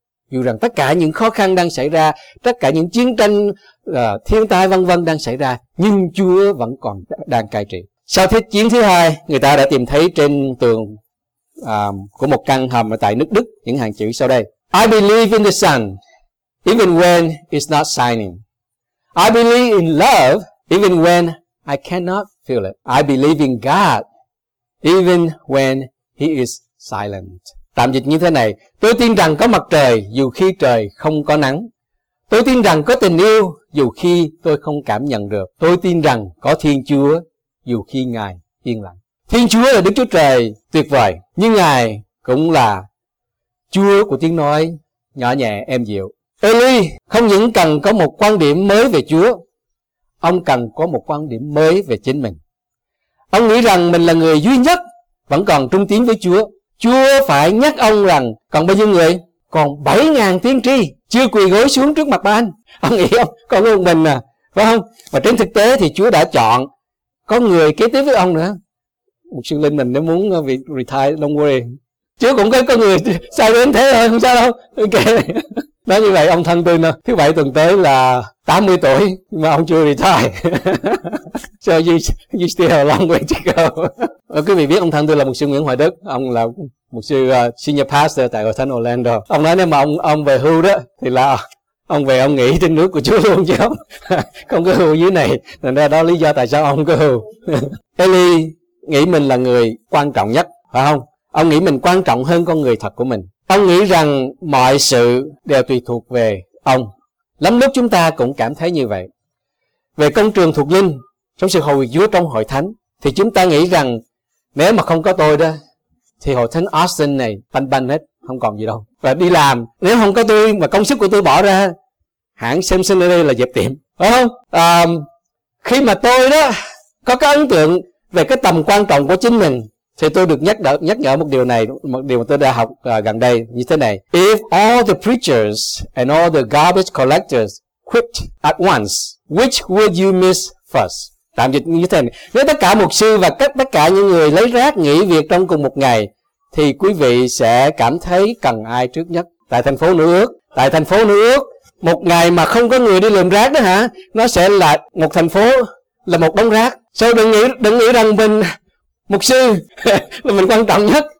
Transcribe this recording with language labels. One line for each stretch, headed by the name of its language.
Vietnamese: Dù rằng tất cả những khó khăn đang xảy ra, tất cả những chiến tranh, thiên tai vân vân đang xảy ra, nhưng Chúa vẫn còn đang cai trị. Sau thế chiến thứ hai, người ta đã tìm thấy trên tường của một căn hầm ở tại nước Đức những hàng chữ sau đây:
English: I believe in the sun even when it's not shining. I believe in love even when I cannot feel it. I believe in God even when he is silent.
Vietnamese: Tạm dịch như thế này: tôi tin rằng có mặt trời dù khi trời không có nắng. Tôi tin rằng có tình yêu dù khi tôi không cảm nhận được. Tôi tin rằng có Thiên Chúa dù khi Ngài yên lặng. Thiên Chúa là Đức Chúa Trời tuyệt vời, nhưng Ngài cũng là Chúa của tiếng nói nhỏ nhẹ êm dịu. Eli không những cần có một quan điểm mới về Chúa, ông cần có một quan điểm mới về chính mình. Ông nghĩ rằng mình là người duy nhất vẫn còn trung tín với Chúa. Chúa phải nhắc ông rằng còn bao nhiêu người? Còn 7.000 tiên tri chưa quỳ gối xuống trước mặt Ba-al. Ông nghĩ không? Còn một mình à, phải không? Và trên thực tế thì Chúa đã chọn có người kế tiếp với ông nữa. Một sư linh mình nếu muốn bị retire,
English: don't worry.
Vietnamese: Chúa cũng có người sao đến thế thôi, không sao đâu. Ok. Nói như vậy ông thân tôi nè, thứ bảy tuần tới là 80 tuổi mà ông chưa retire.
English: So you still have a long way to go.
Vietnamese: Quý vị biết ông thân tôi là mục sư Nguyễn Hoài Đức, ông là mục sư senior pastor tại hội thánh Orlando. Ông nói nếu mà ông về hưu đó thì là ông về ông nghỉ trên nước của Chúa luôn chứ không có hưu dưới này. Thành ra đó lý do tại sao ông có hưu. Eli nghĩ mình là người quan trọng nhất, phải không? Ông nghĩ mình quan trọng hơn con người thật của mình. Ông nghĩ rằng mọi sự đều tùy thuộc về ông. Lắm lúc chúng ta cũng cảm thấy như vậy. Về công trường thuộc linh, trong sự hầu việc Chúa trong hội thánh, thì chúng ta nghĩ rằng nếu mà không có tôi đó, thì hội thánh Austin này banh banh hết, không còn gì đâu. Và đi làm, nếu không có tôi mà công sức của tôi bỏ ra, hãng Samson ở đây là dẹp tiệm. Phải không? Khi mà tôi đó có cái ấn tượng về cái tầm quan trọng của chính mình, thì tôi được nhắc nhở một điều này, một điều mà tôi đã học gần đây như thế này.
English: If all the preachers and all the garbage collectors quit at once, which would you miss first?
Vietnamese: Tạm dịch như thế này. Nếu tất cả mục sư và tất cả những người lấy rác nghỉ việc trong cùng một ngày, thì quý vị sẽ cảm thấy cần ai trước nhất? Tại thành phố New York. Tại thành phố New York, một ngày mà không có người đi lượm rác đó hả? Nó sẽ là một thành phố, là một đống rác. So đừng nghĩ rằng mình mục sư là mình quan trọng nhất.